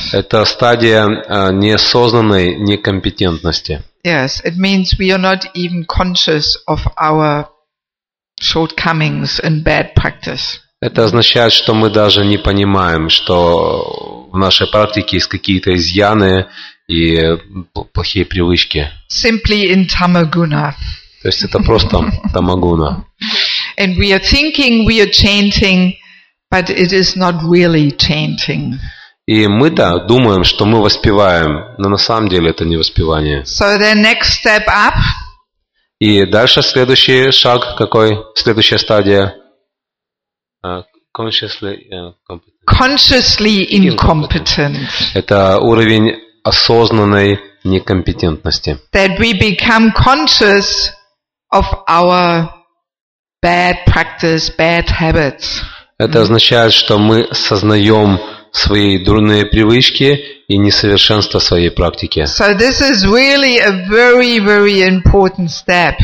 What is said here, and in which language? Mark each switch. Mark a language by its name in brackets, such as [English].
[Russian] Это стадия неосознанной некомпетентности. [English] Yes, it means we are not even conscious of our shortcomings and bad practice. [Russian] Это означает, что мы даже не понимаем, что в нашей практике есть какие-то изъяны и плохие привычки. [English] Simply in tamaguna. [Russian] То есть это просто тамагуна. [English] And we are thinking, we are chanting, but it is not really chanting. [Russian] И мы-то думаем, что мы воспеваем, но на самом деле это не воспевание. [English] So the next step up. [Russian] И дальше следующий шаг какой? Следующая стадия. [English] Consciously incompetent. [Russian] Это уровень осознанной некомпетентности. [English] That we become conscious of our bad practice, bad habits. [Russian] Это означает, что мы сознаем свои дурные привычки и несовершенство своей практики. [English] So this is really a very, very important step.